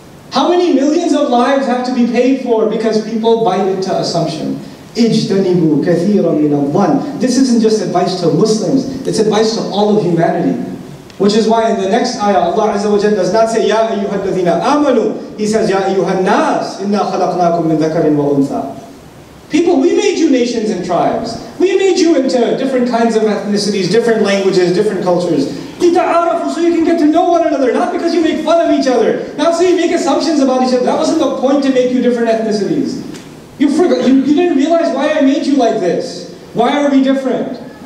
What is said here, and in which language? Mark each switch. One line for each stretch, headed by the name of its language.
English: How many millions of lives have to be paid for because people bite into assumption?
Arabic: اجتنبوا كثيرا من الظن.
English: This isn't just advice to Muslims, it's advice to all of humanity. Which is why in the next ayah, Allah Azza wa Jalla does not say,
Arabic: يَا أَيُّهَا الَّذِينَ آمَنُوا.
English: He says,
Arabic: يَا أَيُّهَا النَّاسِ إِنَّا خَلَقْنَاكُمْ مِنْ ذَكَرٍ وَأُنْثَى.
English: People, we made you nations and tribes. We made you into different kinds of ethnicities, different languages, different cultures.
Arabic: لِتَعَارَفُوا,
English: so you can get to know one another, not because you make fun of each other. Not so you make assumptions about each other. That wasn't the point to make you different ethnicities. You didn't realize why I made you like this. Why are we different?